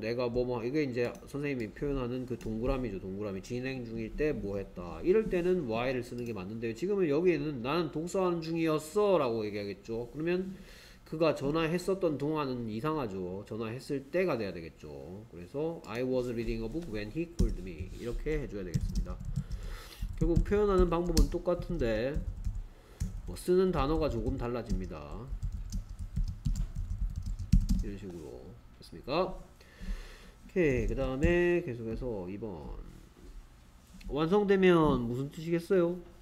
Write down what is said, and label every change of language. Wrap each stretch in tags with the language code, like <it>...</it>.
<ko>내가 뭐뭐 이게 이제 선생님이 표현하는 그 동그라미죠. 동그라미 진행 중일 때 뭐했다. 이럴 때는 while을 쓰는 게 맞는데요. 지금은 여기에는 나는 독서하는 중이었어라고 얘기하겠죠. 그러면 그가 전화했었던 동안은 이상하죠. 전화했을 때가 돼야 되겠죠. 그래서</ko> <en>I was reading a book when he called me.</en> <ko>이렇게 해줘야 되겠습니다. 결국 표현하는 방법은 똑같은데 뭐 쓰는 단어가 조금 달라집니다. 이런 식으로 됐습니까? 오케이. 그 다음에 계속해서 2번 완성되면 무슨 뜻이겠어요?</ko>